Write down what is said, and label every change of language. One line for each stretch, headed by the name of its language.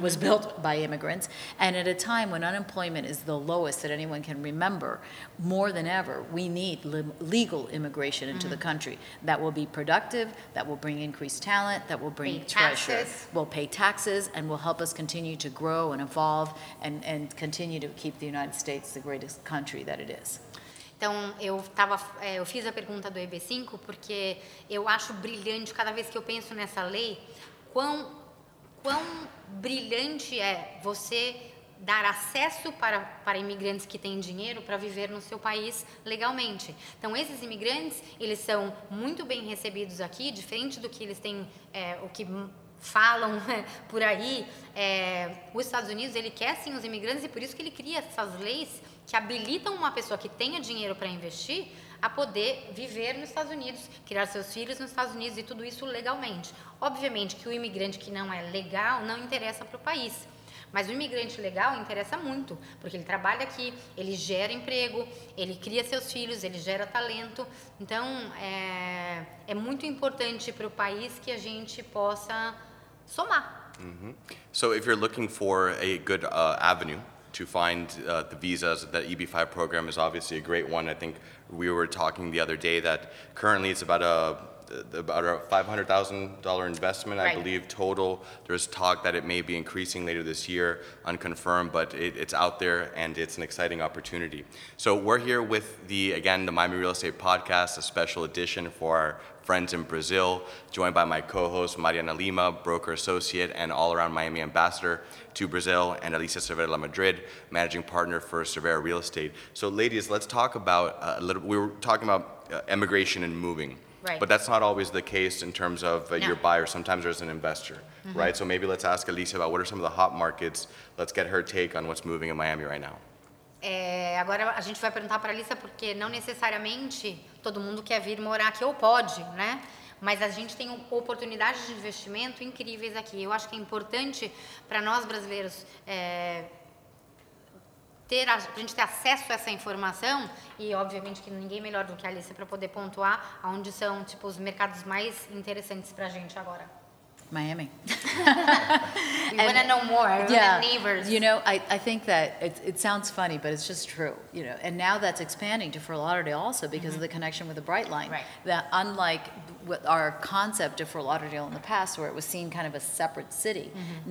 English: was built by immigrants. And at a time when unemployment is the lowest that anyone can remember, more than ever, we need legal immigration into mm-hmm. the country that will be productive, that will bring increased talent, that will bring treasure, will pay taxes, and will help us continue to grow and evolve and continue to keep the United States the greatest country that it is.
Portuguese: Então, eu fiz a pergunta do EB-5 porque eu acho brilhante, cada vez que eu penso nessa lei, quão brilhante é você dar acesso para imigrantes que têm dinheiro para viver no seu país legalmente. Então, esses imigrantes, eles são muito bem recebidos aqui, diferente do que eles têm, o que falam por aí. Os Estados Unidos, ele quer sim os imigrantes e por isso que ele cria essas leis que habilitam uma pessoa que tenha dinheiro para investir a poder viver nos Estados Unidos, criar seus filhos nos Estados Unidos e tudo isso legalmente. Obviamente que o imigrante que não é legal não interessa para o país, mas o imigrante legal interessa muito, porque ele trabalha aqui, ele gera emprego, ele cria seus filhos, ele gera talento. Então, é muito importante para o país que a gente possa somar. Mm-hmm.
English: So, if you're looking for a good avenue to find the visas, the EB-5 program is obviously a great one. I think we were talking the other day that currently it's about a $500,000 investment, right. I believe, total. There's talk that it may be increasing later this year, unconfirmed, but it's out there and it's an exciting opportunity. So we're here with the Miami Real Estate Podcast, a special edition for our friends in Brazil, joined by my co-host Mariana Lima, broker associate and all-around Miami ambassador to Brazil, and Alicia Cervera Madrid, managing partner for Cervera Real Estate. So ladies, let's talk about a little, we were talking about immigration and moving. Right. But that's not always the case in terms of your buyer. Sometimes there's an investor, mm-hmm. right? So maybe let's ask Alicia about what are some of the hot markets. Let's get her take on what's moving in Miami right now.
Portuguese: É, agora a gente vai perguntar para a Alicia porque não necessariamente todo mundo quer vir morar aqui ou pode, né? Mas a gente tem oportunidades de investimento incríveis aqui. Eu acho que é importante para nós brasileiros para a gente ter acesso a essa informação e, obviamente, que ninguém melhor do que a Alicia para poder pontuar onde são tipo, os mercados mais interessantes para a gente agora.
English: Miami. We want to know more. The neighbors. You know, I think that it sounds funny, but it's just true. You know, and now that's expanding to Fort Lauderdale also because mm-hmm. of the connection with the Brightline. Right. That unlike what our concept of Fort Lauderdale in the past, where it was seen kind of a separate city, mm-hmm.